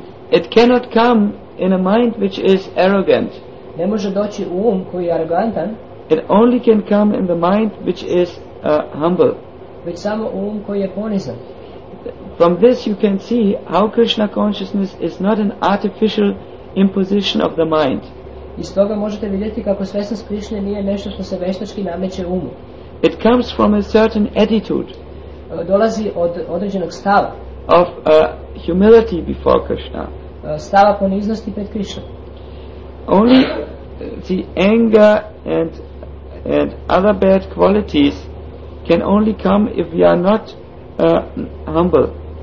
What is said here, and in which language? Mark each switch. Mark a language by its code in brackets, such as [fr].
[en] It cannot come in a mind which is arrogant. [sr] Ne može doći u um koji je arrogantan. [en] It only can come in the mind which is humble. [sr] Već samo u um koji je ponizan. [en] From this you can see how Krishna consciousness is not an artificial imposition of the mind. [sr] Iz toga možete vidjeti kako svjesnost Krišne nije nešto što se veštački nameće umu. [en] It comes from a certain attitude. [sr] Dolazi od određenog stava. [en] Of humility before Krishna. [sr] Stava poniznosti pred Krišnom. [en] Only the anger and other bad qualities can only come if we are not humble.